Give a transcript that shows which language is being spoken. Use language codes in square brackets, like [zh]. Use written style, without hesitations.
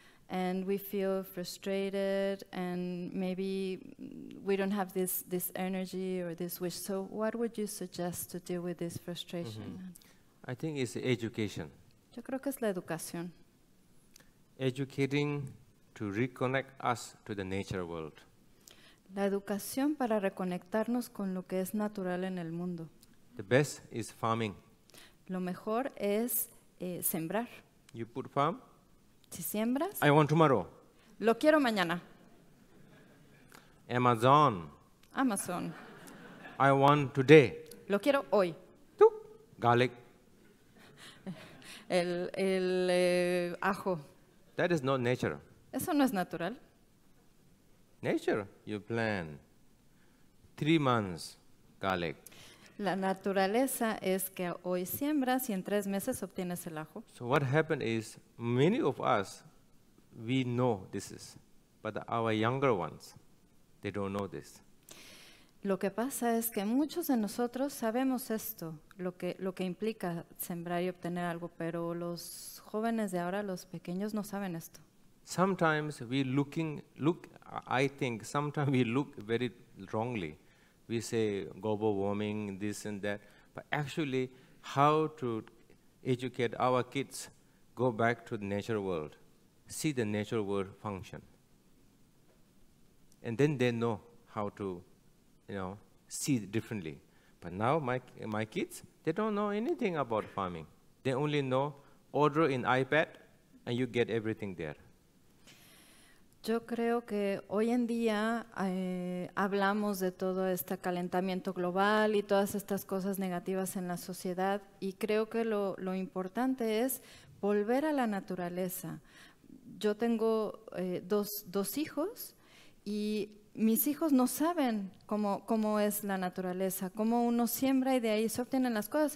[en] And we feel frustrated and maybe we don't have this energy or this wish. So what would you suggest to deal with this frustration? Mm-hmm. I think it's education. [es] Yo creo que es la educación. [en] Educating to reconnect us to the nature world. [es] La educación para reconectarnos con lo que es natural en el mundo. [en] The best is farming. [es] Lo mejor es sembrar. [en] You put farm. [es] Si siembras, [en] I want tomorrow. [es] Lo quiero mañana. [en] Amazon. I want today. [es] Lo quiero hoy. [en] Tú. Garlic. [es] El ajo. [en] That is not nature. [es] Eso no es natural. [en] Nature, you plan. 3 months, garlic. [es] La naturaleza es que hoy siembras y en 3 meses obtienes el ajo. [en] So what happened is many of us, we know this is, but our younger ones, they don't know this. [es] Lo que pasa es que muchos de nosotros sabemos esto, lo que implica sembrar y obtener algo, pero los jóvenes de ahora, los pequeños, no saben esto. [en] Sometimes we look very wrongly. We say global warming, this and that, but actually, how to educate our kids go back to the natural world, see the natural world function, and then they know how to, you know, see it differently. But now my kids, they don't know anything about farming. They only know order in iPad, and you get everything there. [es] Yo creo que hoy en día hablamos de todo este calentamiento global y todas estas cosas negativas en la sociedad y creo que lo importante es volver a la naturaleza. Yo tengo dos hijos y mis hijos no saben cómo es la naturaleza, cómo uno siembra y de ahí se obtienen las cosas.